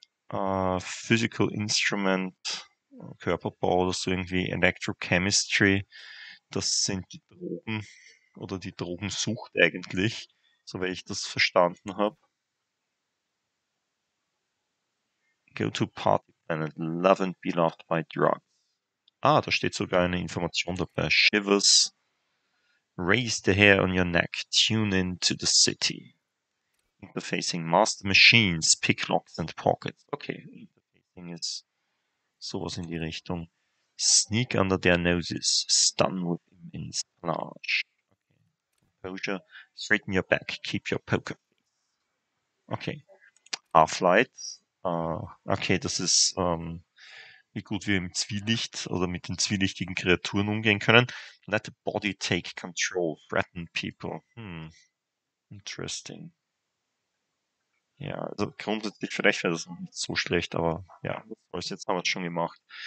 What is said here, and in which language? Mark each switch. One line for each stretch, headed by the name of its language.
German: Physical Instrument, Körperbau oder so irgendwie, Electrochemistry, das sind die Drogen oder die Drogensucht eigentlich, so wie ich das verstanden habe.
English: Go to Party Planet, love and be loved by drugs.
German: Ah, da steht sogar eine Information dabei.
English: Shivers, raise the hair on your neck, tune in to the city. Interfacing Master Machines, Pick Locks and Pockets.
German: Okay, Interfacing ist sowas in die Richtung.
English: Sneak under their noses, stun with immense panache. Composure, straighten your back, keep your poker face. Okay, Half-Light.
German: Okay, das ist, wie gut wir im Zwielicht oder mit den zwielichtigen Kreaturen umgehen können.
English: Let the body take control, threaten people. Interesting.
German: Ja, also grundsätzlich vielleicht wäre das nicht so schlecht, aber ja, was jetzt haben wir es schon gemacht.